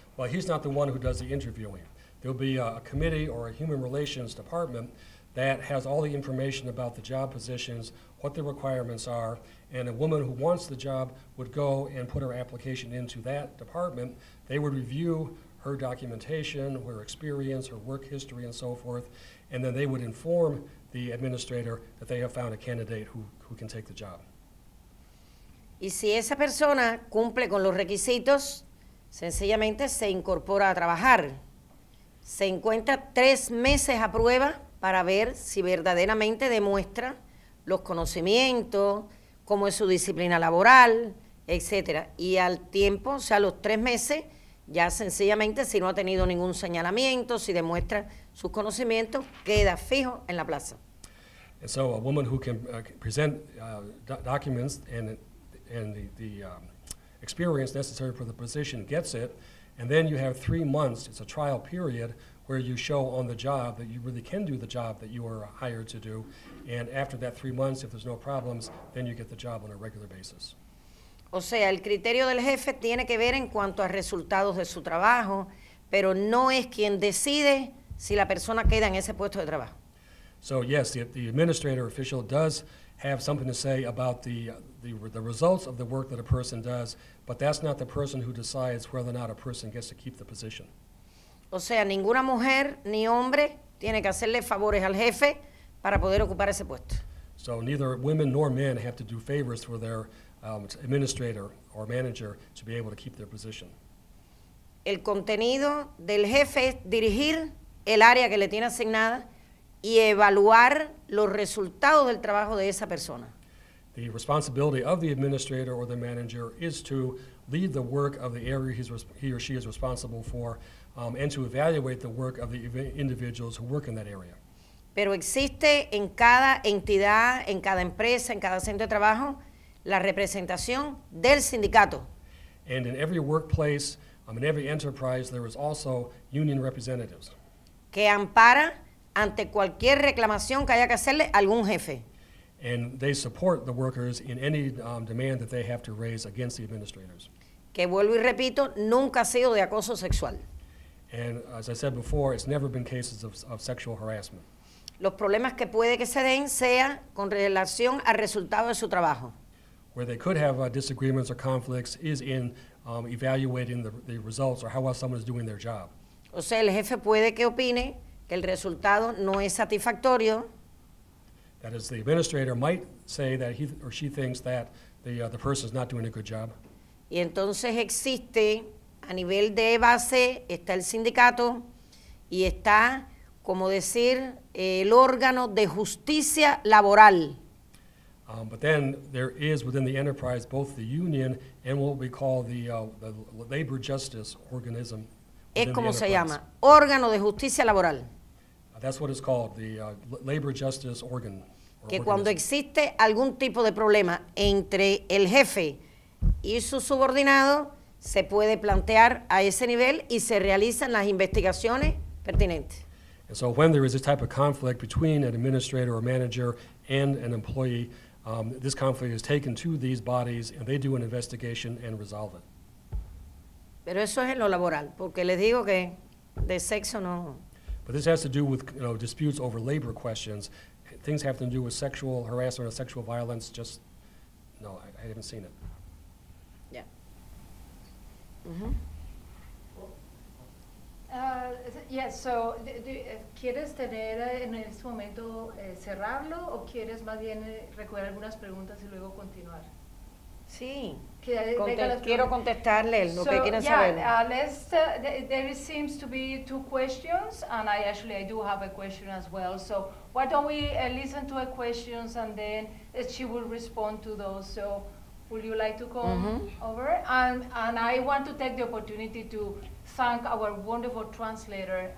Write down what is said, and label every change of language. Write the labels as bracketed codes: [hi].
[en] Well, he's not the one who does the interviewing. There'll be a committee or a human relations department that has all the information about the job positions, what the requirements are, and a woman who wants the job would go and put her application into that department. They would review her documentation, her experience, her work history, and so forth, and then they would inform the administrator that they have found a candidate who can take the job. [es] Y si esa persona cumple con los requisitos, sencillamente se incorpora a trabajar. Se encuentra 3 meses a prueba para ver si verdaderamente demuestra los conocimientos, cómo es su disciplina laboral, etc. Y al tiempo, o sea, los 3 meses, ya sencillamente, si no ha tenido ningún señalamiento, si demuestra sus conocimientos, queda fijo en la plaza. [en] And so a woman who can present documents and the experience necessary for the position gets it, and then you have 3 months, it's a trial period, where you show on the job that you really can do the job that you are hired to do, and after that 3 months, if there's no problems, then you get the job on a regular basis. [es] O sea, el criterio del jefe tiene que ver en cuanto a resultados de su trabajo, pero no es quien decide si la persona queda en ese puesto de trabajo. [en] So yes, the administrator official does have something to say about the results of the work that a person does, but that's not the person who decides whether or not a person gets to keep the position. [es] O sea, ninguna mujer ni hombre tiene que hacerle favores al jefe para poder ocupar ese puesto. [en] So neither women nor men have to do favors for their administrator or manager to be able to keep their position. [es] El contenido del jefe es dirigir el área que le tiene asignada y evaluar los resultados del trabajo de esa persona. [en] The responsibility of the administrator or the manager is to lead the work of the area he or she is responsible for, and to evaluate the work of the individuals who work in that area. [es] Pero existe en cada entidad, en cada empresa, en cada centro de trabajo, la representación del sindicato. [en] And in every workplace, In every enterprise, there is also union representatives. [es] Que ampara ante cualquier reclamación que haya que hacerle algún jefe. [en] And they support the workers in any demand that they have to raise against the administrators. [es] Que vuelvo y repito, nunca ha sido de acoso sexual. [en] And as I said before, it's never been cases of sexual harassment. [es] Los problemas que puede que se den sea con relación al resultado de su trabajo. [en] Where they could have disagreements or conflicts is in evaluating the results or how well someone is doing their job. [es] O sea, el jefe puede que opine que el resultado no es satisfactorio. [en] That is, the administrator might say that he or she thinks that the person is not doing a good job. [es] Y entonces existe, a nivel de base, está el sindicato y está, como decir, el órgano de justicia laboral. [en] But then there is within the enterprise both the union and what we call the labor justice organism. [es] Es como se llama, órgano de justicia laboral. [en] That's what it's called, the labor justice organ. [es] Que cuando existe algún tipo de problema entre el jefe y su subordinado, se puede plantear a ese nivel y se realizan las investigaciones pertinentes. [en] And so when there is this type of conflict between an administrator or manager and an employee, this conflict is taken to these bodies and they do an investigation and resolve it. [es] Pero eso es en lo laboral, porque les digo que de sexo no. [en] But this has to do with, you know, disputes over labor questions. Things have to do with sexual harassment or sexual violence, just, no, I haven't seen it. Yeah. Yes, so, [es] ¿quieres tener en este momento cerrarlo o quieres más bien recoger algunas preguntas y luego continuar? Sí, quiero contestarle lo que quieren saber. [en] So, yeah, there seems to be two questions, and I do have a question as well, so... Why don't we listen to her questions and then she will respond to those. So would you like to come over? And I want to take the opportunity to thank our wonderful translator.